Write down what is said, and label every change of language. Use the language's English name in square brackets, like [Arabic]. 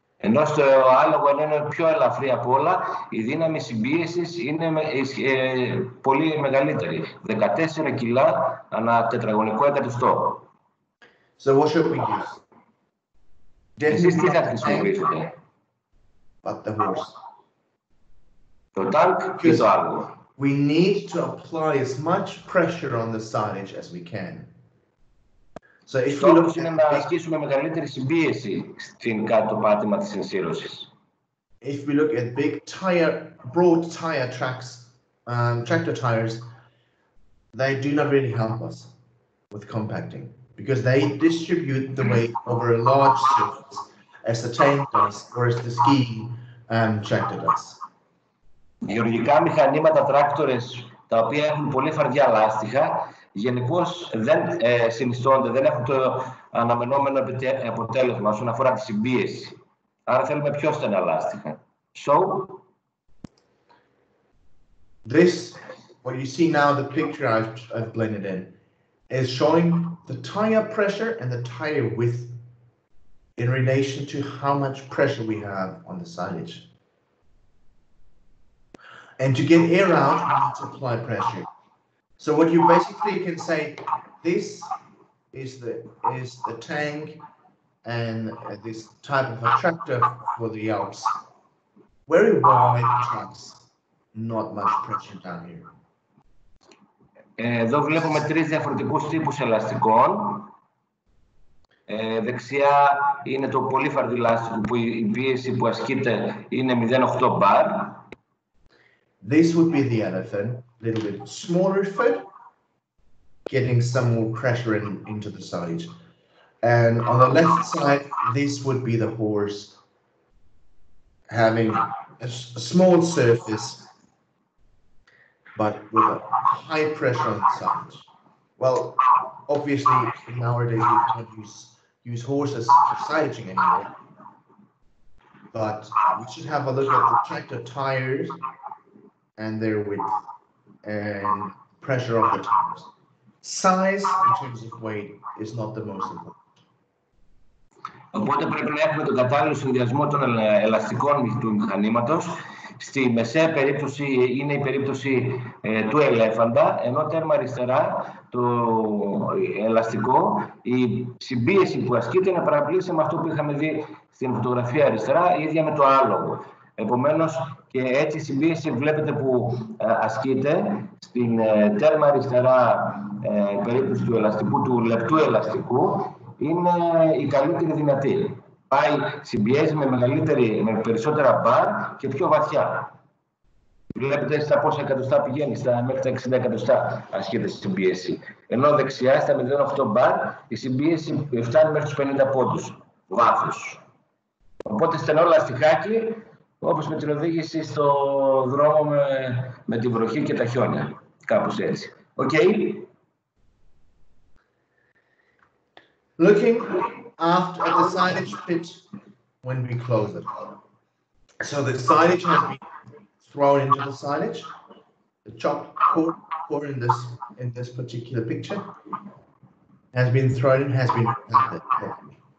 [Greek] Ενώ στο άλογο είναι πιο ελαφρύ από όλα, η δύναμη συμπίεσης είναι πολύ μεγαλύτερη. 14 κιλά ανά τετραγωνικό εκατοστό. [English] So what should we use? [Greek] Εσείς τι θα χρησιμοποιήσετε? [English] But the horse. [Greek] Το τάγκ ή το άλογο. [English] We need to apply as much pressure on the silage as we can. So if we look at [Greek] να ασκήσουμε μεγαλύτερη συμπίεση στην κάτω πάτημα της ενσύρωσης. [English] If we look at big tire, broad tire tracks, tractor tires, they do not really help us with compacting because they distribute the weight over a large surface, as the tank does, or as the skiing tractor does. [Greek] Γεωργικά μηχανήματα τράκτορες τα οποία έχουν πολύ φαρδιά λάστιχα γενικώς δεν συνιστώνται, δεν έχουν το αναμενόμενο αποτέλεσμα όσον αφορά τη συμπίεση. Άρα θέλουμε πιο στενά λάστιχα. [English] So, this, what you see now, the picture I've blended in, is showing the tire pressure and the tire width in relation to how much pressure we have on the silage. And to get air out, we need to apply pressure. So what you basically can say, this is the tank and this type of a tractor for the Alps. Very wide trucks, not much pressure down here. [Greek] Εδώ βλέπουμε τρεις διαφορετικούς τύπους ελαστικών. Δεξιά είναι το πολύ φαρδί λάστιχο που η πίεση που ασκείται είναι 0,8 bar. [English] This would be the elephant, a little bit smaller foot, getting some more pressure into the side. And on the left side, this would be the horse having a small surface, but with a high pressure on the side. Well, obviously, nowadays we can't use horses for silaging anymore, but we should have a look at the tractor tires and their width and pressure of the tires. Size in terms of weight is not the most important. [Greek] Οπότε πρέπει να έχουμε τον κατάλληλο συνδυασμό των ελαστικών του μηχανήματος. Στη μεσαία περίπτωση είναι η περίπτωση του ελέφαντα, ενώ τέρμα αριστερά το ελαστικό, η συμπίεση που ασκείται είναι παραπλήσια με αυτό που είχαμε δει στην φωτογραφία αριστερά, ίδια με το άλογο. Επομένως, και έτσι η συμπίεση βλέπετε που ασκείται στην τέρμα αριστερά περίπτωση του ελαστικού, του λεπτού ελαστικού, είναι η καλύτερη δυνατή. Πάει συμπιέζει με περισσότερα μπαρ και πιο βαθιά. Βλέπετε στα πόσα εκατοστά πηγαίνει, στα μέχρι τα 60 εκατοστά ασκείται στη συμπίεση. Ενώ δεξιά, στα 0,8 μπαρ, η συμπίεση φτάνει μέχρι τους 50 πόντους βάθους. Οπότε, στενό λαστιχάκι, όπως με την οδήγηση στο δρόμο με τη βροχή και τα χιόνια. Κάπως έτσι. Okay. [English] Looking after at the silage pit when we close it. So the silage has been thrown into the silage. The chopped core in this particular picture has been thrown and has been packed properly.